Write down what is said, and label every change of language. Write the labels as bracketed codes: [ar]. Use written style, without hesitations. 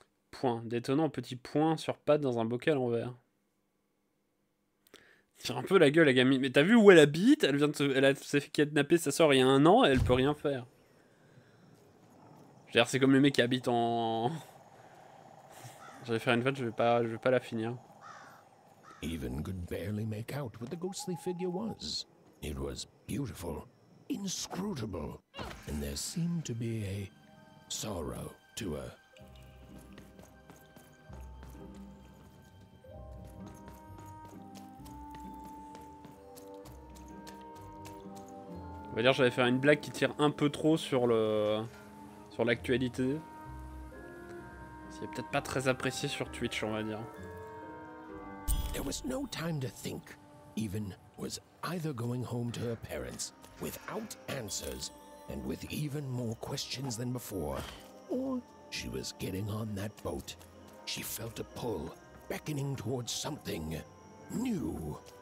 [fr] Point. D'étonnant petit point sur patte dans un bocal en verre. Tire un peu la gueule la gamine, mais t'as vu où elle habite? Elle vient de se... elle a... s'est fait kidnapper sa soeur il y a un an et elle peut rien faire. J'ai l'air, c'est comme les mecs qui habitent en... Je vais faire une fête, je vais pas la finir. [en] Even could barely make out what the ghostly figure was. It was beautiful, inscrutable, and there seemed to be a sorrow to her. [fr] On va dire, j'allais faire une blague qui tire un peu trop sur le sur l'actualité. C'est peut-être pas très apprécié sur Twitch, on va dire. [en] There was no time to think. Even was either going home to her parents without answers and with even more questions than before, or she was getting on that boat. She felt a pull beckoning towards something new.